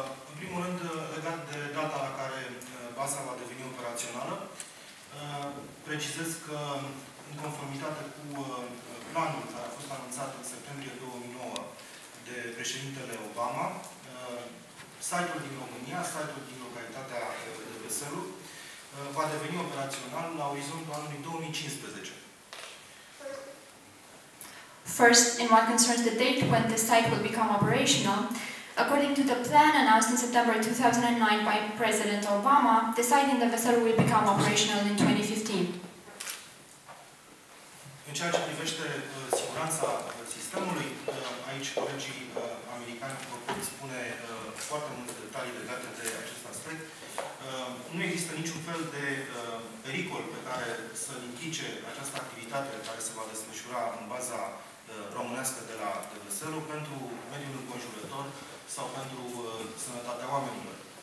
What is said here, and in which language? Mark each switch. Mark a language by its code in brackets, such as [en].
[ro] În primul rând, legat de data la care baza va deveni operațională, precizez că, în conformitate cu planul care a fost anunțat în septembrie 2009 de președintele Obama, site-ul din România, site-ul din localitatea de Veselu, va deveni operațional la orizontul anului 2015. [en] First, in what concerns the date when the site will become operational, according to the plan announced in September 2009 by President Obama, the site in the Veselu will become operational in 2015. [ro] În ceea ce privește siguranța sistemului, aici colegii americani vor spune foarte multe detalii legate de acest aspect. Nu există niciun fel de pericol pe care să-l implice această activitate care se va desfășura în baza românească de la Veselu pentru mediul înconjurător sau pentru sănătatea oamenilor.